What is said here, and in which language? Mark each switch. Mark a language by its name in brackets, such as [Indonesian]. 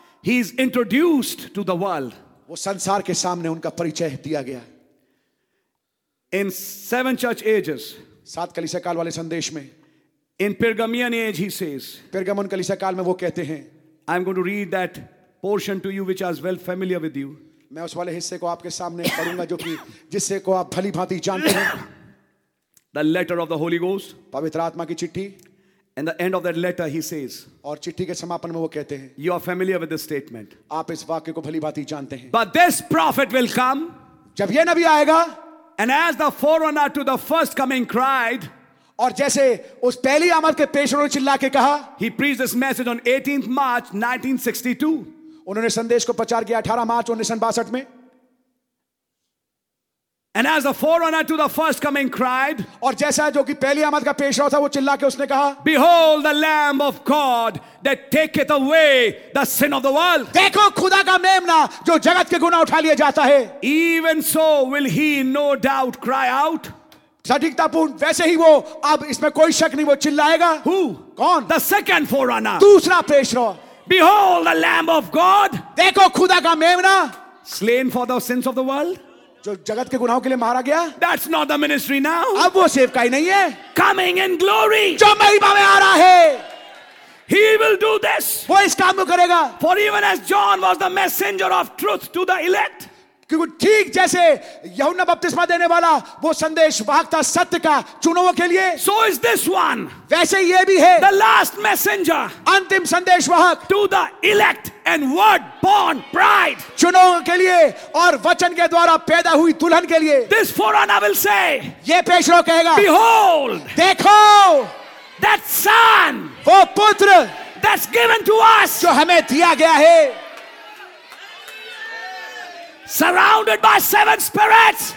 [English] He is introduced to the world. [Hindi] वो संसार के सामने उनका परिचय दिया गया. [English] In 7 church ages. [Hindi] 7 कलीसिया काल वाले संदेश में. [English] In Pergamian age he says. [Hindi] पेर्गमन कलीसिया काल में वो कहते हैं. [English] I am going to read that portion to you which is well familiar with you. [Hindi] मैं उस वाले हिस्से को आपके सामने पढूंगा जो कि जिससे को आप भली भांति जानते हैं. [English] The letter of the Holy Ghost. [Hindi] पवित्र आत्मा की चिट्ठी. [English] And the end of that letter he says. [Hindi] और चिट्ठी के समापन में वो कहते हैं. [English] You are familiar with this statement. [Hindi] आप इस वाक्य को भली भांति जानते हैं. [English] But this prophet will come. [Hindi] जब ये नबी आएगा. [English] And as the forerunner to the first coming cried. [Hindi] और जैसे उस पहली आमद के पेशरों ने चिल्ला के कहा. [English] He preached this message on 18th March 1962. [Hindi] उन्होंने संदेश को प्रचार किया 18 मार्च 1962 में. [English] And as the forerunner to the first coming cried, [Hindi] और जैसा जो कि पहली आमद का पेशरा था वो चिल्ला के उसने कहा, [English] Behold the Lamb of God that taketh away the sin of the world. [Hindi] देखो खुदा का मेमना जो जगत के गुनाह उठा लिया जाता है. [English] Even so will he no doubt cry out. [Hindi] सटीकतापूर्ण वैसे ही वो अब इसमें कोई शक नहीं वो चिल्लाएगा. [English] Who? [Hindi] कौन? [English] The second forerunner. [Hindi] दूसरा पेशरा. [English] Behold the Lamb of God. [Hindi] देखो खुदा का मेमना. [English] Slain for the sins of the world. [Hindi] जो जगत के गुनाहों के लिए मारा गया. [English] That's not the ministry now. [Hindi] अब वो सेवकाई नहीं है. [English] Coming in glory. [Hindi] जो महिमा में आ रहा है. [English] He will do this. [Hindi] वो इस काम को करेगा. [English] For even as John was the messenger of truth to the elect. [Hindi] क्योंकि ठीक जैसे यूहन्ना बपतिस्मा देने वाला वो संदेश वाहकता सत्य का चुनावों के लिए. [English] So is this one. [Hindi] वैसे ये भी है. [English] The last messenger. [Hindi] अंतिम संदेश वाहक. [English] To the elect. And word born bride. [Hindi] चुनाव के लिए और वचन के द्वारा पैदा हुई दुल्हन के लिए. [English] This forerunner will say. [Hindi] ये पेशरो कहेगा. [English] Behold. [Hindi] देखो. [English] That son. [Hindi] वो पुत्र. [English] That's given to us. [Hindi] जो हमें दिया गया है. [English] Surrounded by seven spirits.